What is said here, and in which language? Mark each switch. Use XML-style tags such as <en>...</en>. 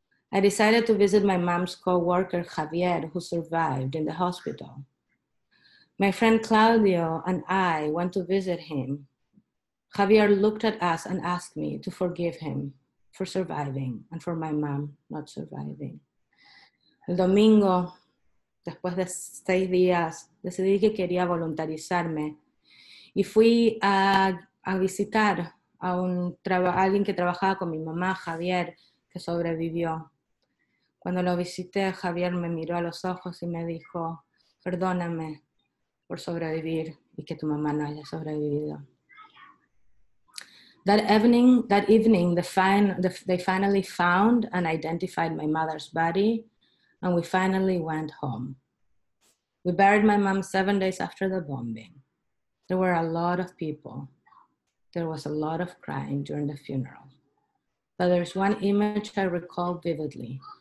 <en>I decided to visit my mom's co-worker, Javier, who survived in the hospital. My friend Claudio and I went to visit him. Javier looked at us and asked me to forgive him for surviving and for my mom not surviving.</en> <es>El domingo, después de 6 días, decidí que quería voluntarizarme y fui a visitar a un alguien que trabajaba con mi mamá, Javier, que sobrevivió. Cuando lo visité, Javier me miró a los ojos y me dijo, perdóname por sobrevivir y que tu mamá no haya sobrevivido.</es> <en>That evening, they finally found and identified my mother's body, and we finally went home. We buried my mom 7 days after the bombing. There were a lot of people. There was a lot of crying during the funeral. But there's one image I recall vividly.</en>